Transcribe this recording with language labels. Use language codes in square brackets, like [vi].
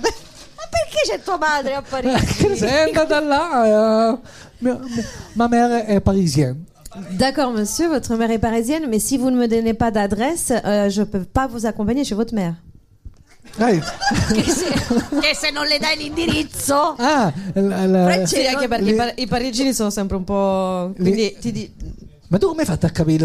[it] Ma perché c'è tua madre a Parigi? Sei andata là. [fr] Ma mère [it] è [fr] parisienne. D'accord, monsieur, votre mère est parisienne, mais si vous ne me donnez pas d'adresse, je ne peux pas vous accompagner chez votre mère. [it] Che se non le dai l'indirizzo, francese, anche perché i parigini sono sempre un po'. Quindi ma tu come hai fatto a capire?